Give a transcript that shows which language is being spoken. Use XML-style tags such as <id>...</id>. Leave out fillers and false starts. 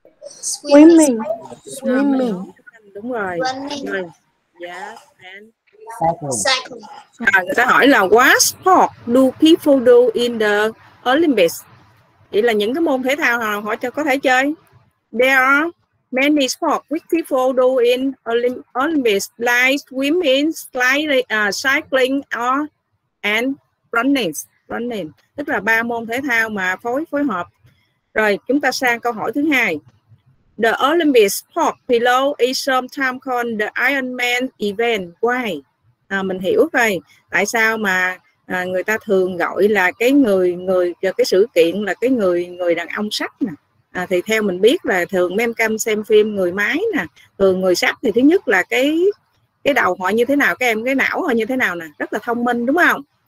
<en>Swimming. Swimming.</en> <vi>Đúng rồi.</vi> <en>Running. Yeah. And cycling.</en> <vi>À, người ta hỏi là</vi> <en>what sport do people do in the Olympics?</en> <vi>Vậy là những cái môn thể thao nào họ cho có thể chơi?</vi> <en>There are many sports which people do in Olympics, like swimming, cycling, or and running. running,</en> <vi>tức là ba môn thể thao mà phối hợp. Rồi chúng ta sang câu hỏi thứ hai.</vi> <en>The Olympic sport below is sometimes called the Ironman event.</en> <vi>Why? À, mình hiểu rồi. Tại sao mà người ta thường gọi là cái sự kiện là cái người đàn ông sắt nè. À, thì theo mình biết là thường mem cam xem phim người máy nè, thường người sắt thì thứ nhất là cái đầu họ như thế nào, các em cái não họ như thế nào nè, rất là thông minh đúng không?</vi>